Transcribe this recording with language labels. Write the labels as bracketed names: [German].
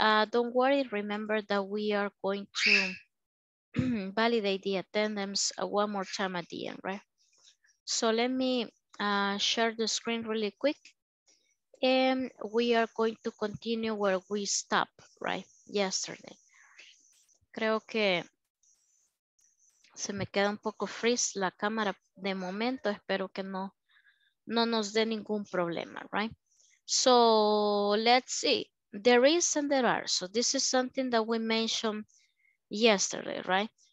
[English] Don't worry, remember that we are going to validate the attendance one more time at the end, right? So let me share the screen really quick. And we are going to continue where we stopped, right? Yesterday. [Spanish] Creo que se me queda un poco freeze la cámara de momento. Espero que no nos dé ningún problema, right? [English] So let's see. There is and there are. So this is something that we mentioned yesterday, right?